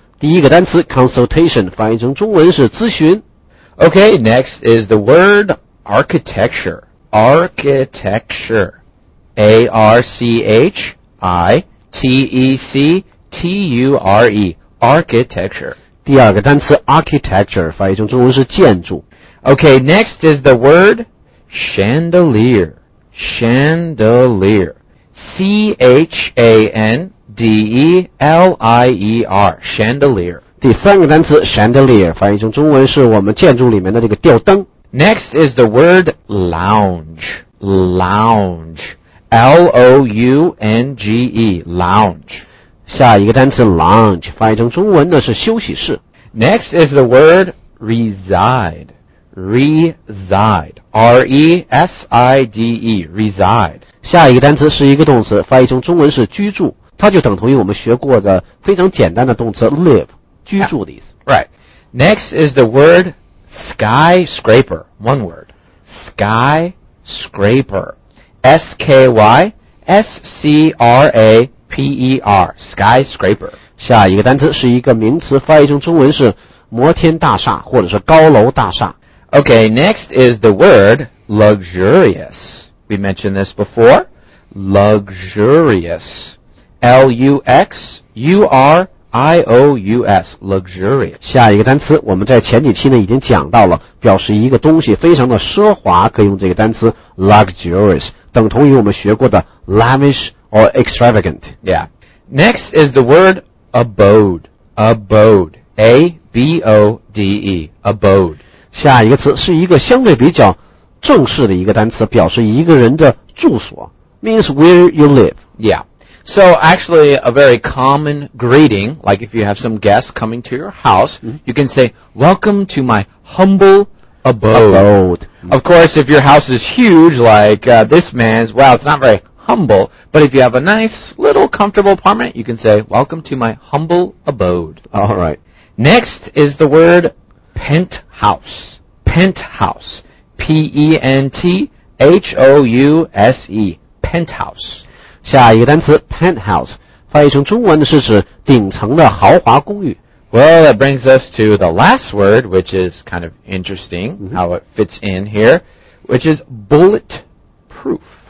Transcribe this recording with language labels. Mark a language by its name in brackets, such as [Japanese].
[Chinese] 第一个单词, consultation, 翻译成中文是咨询. [English] Okay, next is the word architecture. Architecture. A-R-C-H-I-T-E-C-T-U-R-E. Architecture. [Chinese] 第二个单词 architecture 翻译成中文是建筑. [English] Okay, next is the word chandelier. Chandelier, C H A N D E L I E R. Chandelier. [Chinese] 第三个单词 chandelier 翻译成中文是我们建筑里面的这个吊灯. [English] Next is the word lounge. Lounge, L O U N G E. Lounge. [Chinese] 下一个单词 lounge 翻译成中文呢是休息室。 [English] Next is the word reside. Reside. R-E-S-I-D-E. Reside. [Chinese] 下一个单词是一个动词 翻译成中文是居住。它就等同于我们学过的非常简单的动词 live. 居住的意思。 [English] Right. Next is the word skyscraper. One word. Skyscraper. S-K-Y-S-C-R-A-P-E-R. Skyscraper. [Chinese] 下一个单词是一个名词翻译成中文是 摩天大厦或者是高楼大厦. [English] Okay, next is the word luxurious. We mentioned this before. Luxurious. L-U-X-U-R-I-O-U-S. Luxurious. [Chinese] 下一个单词我们在前几期呢已经讲到了，表示一个东西非常的奢华，可以用这个单词 luxurious， 等同于我们学过的 [English] lavish or extravagant. Yeah. Next is the word abode. Abode. A-B-O-D-E. Abode. [Chinese] 下一个词是一个相对比较正式的一个单词，表示一个人的住所， [English] means where you live. Yeah. So actually, a very common greeting, like if you have some guests coming to your house, you can say, "Welcome to my humble abode." Of course, if your house is huge, like this man's, well, it's not very humble. But if you have a nice little comfortable apartment, you can say, "Welcome to my humble abode." All right. Next is the word penthouse. Penthouse. P-E-N-T-H-O-U-S-E. Penthouse. [Chinese] 下一个单词 penthouse 翻译成中文的是指顶层的豪华公寓。 [English] Well, that brings us to the last word, which is kind of interesting, how it fits in here, which is bulletproof.